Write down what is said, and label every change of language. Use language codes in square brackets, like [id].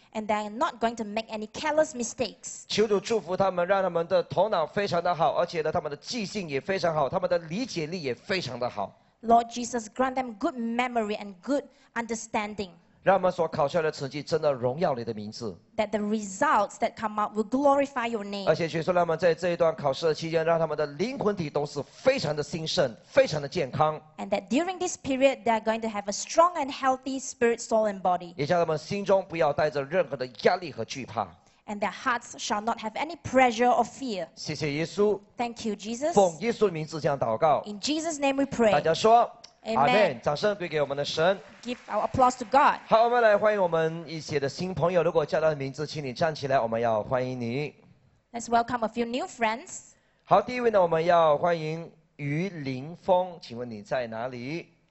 [en] And they are not going to make any careless mistakes. [zh] 求主祝福他们，让他们的头脑非常的好，而且呢，他们的记性也非常好，他们的理解力也非常的好。 [en] Lord Jesus, grant them good memory and good understanding. [zh] 让我们所考出来的成绩真的荣耀你的名字。 [en] That the results that come out will glorify your name. [zh] 而且主耶稣，让我们在这一段考试的期间，让他们的灵魂体都是非常的兴盛，非常的健康。 [en] And that during this period, they are going to have a strong and healthy spirit, soul, and body. [zh] 也叫他们心中不要带着任何的压力和惧怕。 [en] And their hearts shall not have any pressure or fear. [zh] 谢谢耶稣。 [en] Thank you, Jesus. [zh] 奉耶稣的名字这样祷告。 [en] In Jesus' name we pray. [zh] 大家说。 [en] Amen. Amen. [zh] 掌声归给我们的神。 [en] Give our applause to God. [zh] 好，我们来欢迎我们一些的新朋友。如果叫到的名字，请你站起来，我们要欢迎你。 [en] Let's welcome a few new friends. [zh] 好，第一位呢，我们要欢迎于林峰，请问你在哪里？